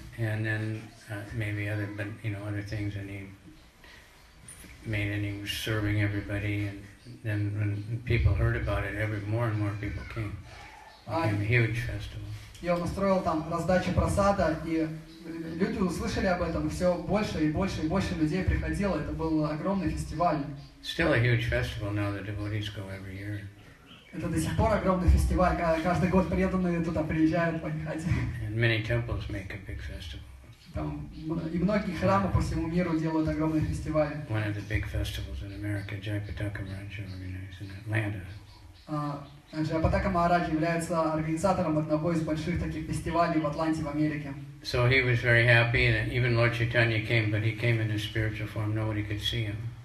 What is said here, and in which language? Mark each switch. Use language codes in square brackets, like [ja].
[en] And then maybe other, but you know, other things, and he made, and he was serving everybody, and then when people heard about it, more and more people came. It became a huge festival. [ru] И он устроил там раздачу просада, и люди услышали об этом, все больше и больше и больше людей приходило, это был огромный фестиваль. [en] Still a huge festival now that devotees go every year. [ru] Это до сих пор огромный фестиваль, каждый год преданные туда приезжают поехать. [en] And many temples make a big festival. [ru] Там, и многие храмы по всему миру делают огромные фестивали. [en] One of the big festivals in America, Jayapataka Maharaja, you know, is in Atlanta. [ru] Джайапатака Махарадж является организатором одного из больших таких фестивалей в Атланте, в Америке. [en] So he was very happy, and even Lord Chaitanya came, but he came in his spiritual form, nobody could see him.